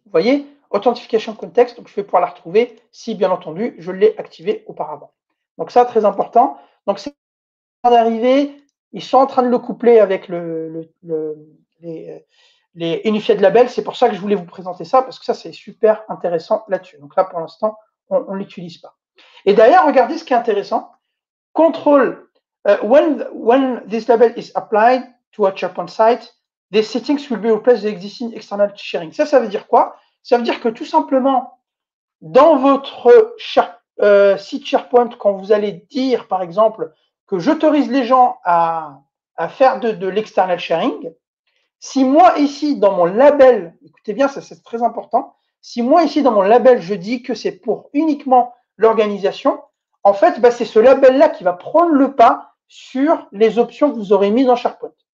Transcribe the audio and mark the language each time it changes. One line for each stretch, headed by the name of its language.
French: Vous voyez, authentification context, donc je vais pouvoir la retrouver si, bien entendu, je l'ai activé auparavant. Donc ça, très important. Donc c'est en train d'arriver, ils sont en train de le coupler avec les unified labels. C'est pour ça que je voulais vous présenter ça, parce que ça, c'est super intéressant là-dessus. Donc là, pour l'instant, on ne l'utilise pas. Et d'ailleurs, regardez ce qui est intéressant.
English: Control, when this label is applied to a SharePoint site, the settings will be replaced with existing external sharing.
French: Ça, ça veut dire quoi? Ça veut dire que tout simplement, dans votre site SharePoint, quand vous allez dire, par exemple, que j'autorise les gens à faire de l'external sharing, si moi ici, dans mon label, écoutez bien, ça c'est très important, si moi ici, dans mon label, je dis que c'est pour uniquement l'organisation, en fait, bah, c'est ce label-là qui va prendre le pas sur les options que vous aurez mises dans SharePoint.